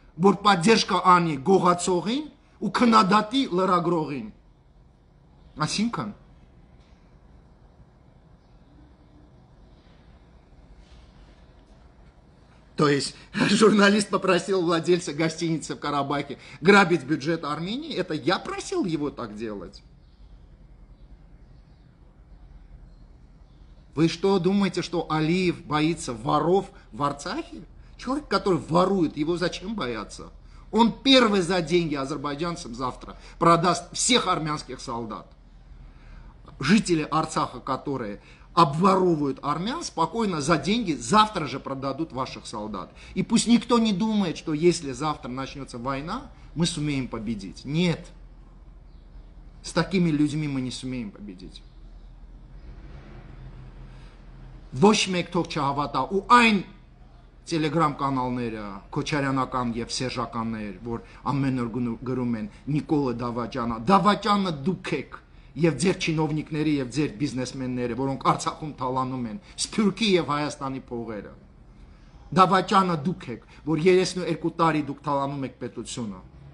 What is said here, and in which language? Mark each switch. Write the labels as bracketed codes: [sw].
[hy] որ поддержка անի գողացողին ու քննադատի լրագրողին։ Այսինքն [ru] то есть журналист попросил владельца гостиницы в Карабахе грабить бюджет Армении, это я просил его так делать? Вы что думаете, что Алиев боится воров в Арцахе? Человек, который ворует, его зачем бояться? Он первый за деньги азербайджанцам завтра продаст всех армянских солдат. Жители Арцаха, которые обворовывают армян, спокойно за деньги завтра же продадут ваших солдат. И пусть никто не думает, что если завтра начнется война, мы сумеем победить. Нет. С такими людьми мы не сумеем победить. [hy] Ոչ մեկ թող չհավատա ու այն Telegram կանալները, Քոչարյանական եւ Սերժականներ, որ ամեն օր գրում են Նիկոլա Դավաճանը, Դավաճանը դուք եք եւ ձեր чиновниկները եւ ձեր բիզնեսմենները, որոնք Արցախում թալանում են Սփյուռքի եւ Հայաստանի փողերը, Դավաճանը դուք եք, որ 32 տարի դուք թալանում եք պետությունը,